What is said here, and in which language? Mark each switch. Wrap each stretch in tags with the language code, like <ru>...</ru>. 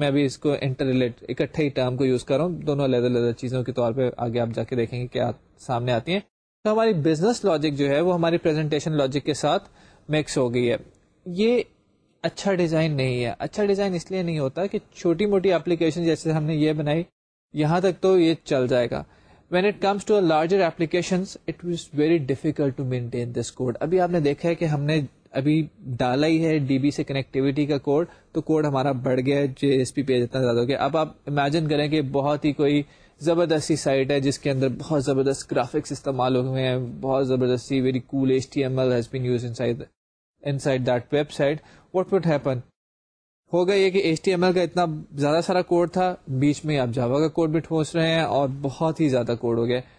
<ur>میں ابھی اس کو انٹر ریلیٹ اکٹھے ہی ٹرم کو یوز کر رہا ہوں, دونوں الگ الگ چیزوں کے طور پہ آگے آپ جا کے دیکھیں گے کیا سامنے آتی ہیں. تو ہماری بزنس لاجک جو ہے وہ ہماری پریزنٹیشن لاجک کے ساتھ مکس ہو گئی ہے. یہ اچھا ڈیزائن نہیں ہے. اچھا ڈیزائن اس لیے نہیں ہوتا کہ چھوٹی موٹی اپلیکیشن جیسے ہم نے یہ بنائی یہاں تک تو یہ چل جائے گا.</ur> <en>When it comes to a larger applications, it was very difficult to maintain this code.</en> <ur>ابھی آپ نے دیکھا ہے کہ ہم نے ابھی ڈالا ہی ہے ڈی بی سے کنیکٹیوٹی کا کوڈ, تو کوڈ ہمارا بڑھ گیا ہے جے ایس پی پیج اتنا زیادہ ہو گیا. اب آپ امیجن کریں کہ بہت ہی کوئی زبردستی سائٹ ہے جس کے اندر بہت زبردست گرافکس استعمال ہوئے ہیں, بہت زبردستی</ur> <en>Very cool H T M L has been used inside that website, what would happen?</en> <ur>ہوگا یہ کہ ایچ ٹی ایم ایل کا اتنا زیادہ سارا کوڈ تھا, بیچ میں آپ جاوا کا کوڈ بھی ٹھونس رہے ہیں اور بہت ہی زیادہ کوڈ ہو گیا.</ur>